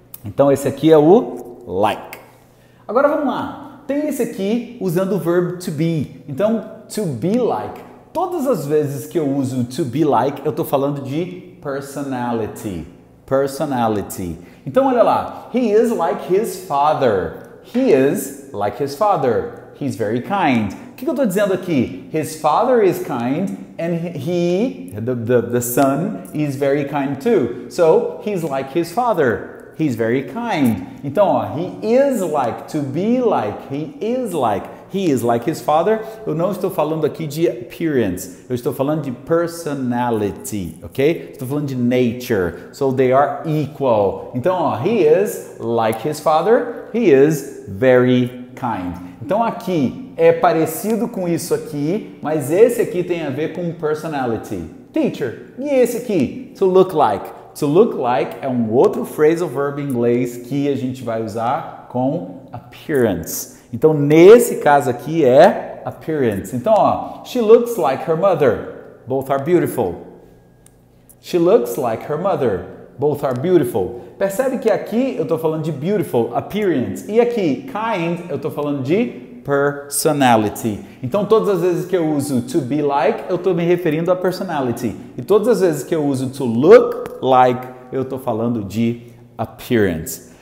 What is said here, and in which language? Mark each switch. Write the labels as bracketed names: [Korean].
[Portuguese] Então esse aqui é o like. Agora vamos lá, tem esse aqui usando o verbo to be, então to be like. Todas as vezes que eu uso to be like, eu estou falando de personality. [English] Personality. [Portuguese] Então, olha lá. [English] He is like his father. He is like his father. He's very kind. [Portuguese] O que eu estou dizendo aqui? [English] His father is kind and he, the son, is very kind too. So, he's like his father. He's very kind. [Portuguese] Então, ó, [English] he is like, to be like, he is like. He is like his father. [Portuguese] Eu não estou falando aqui de appearance. Eu estou falando de personality, ok? Estou falando de nature. [English] So they are equal. [Portuguese] Então, ó, [English] he is like his father. He is very kind. [Portuguese] Então, aqui é parecido com isso aqui, mas esse aqui tem a ver com personality. Teacher. E esse aqui? To look like. To look like é um outro phrasal verb em inglês que a gente vai usar com appearance. Então, nesse caso aqui é appearance. Então, ó, [English] she looks like her mother. Both are beautiful. She looks like her mother. Both are beautiful. [Portuguese] Percebe que aqui eu estou falando de beautiful, appearance. E aqui, kind, eu estou falando de personality. Então, todas as vezes que eu uso to be like, eu estou me referindo a personality. E todas as vezes que eu uso to look like, eu estou falando de appearance.